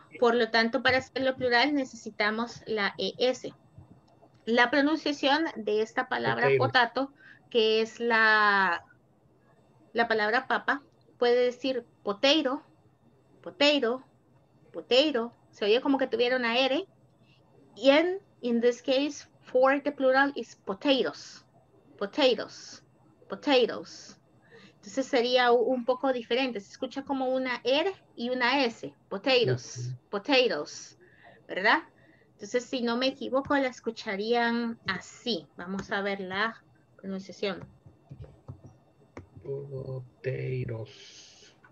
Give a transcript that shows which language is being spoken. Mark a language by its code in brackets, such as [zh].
[es] Por lo tanto, para hacerlo plural necesitamos la ES. La pronunciación de esta palabra potato, que es la palabra papa, puede decir potato, potato, potato. Se oye como que tuviera una R. [en] Y in this case, for the plural is potatoes, potatoes, potatoes. [es] Entonces sería un poco diferente. Se escucha como una R y una S, potatoes, potatoes, ¿verdad? Entonces, si no me equivoco, la escucharían así. Vamos a ver la pronunciación. Potatoes.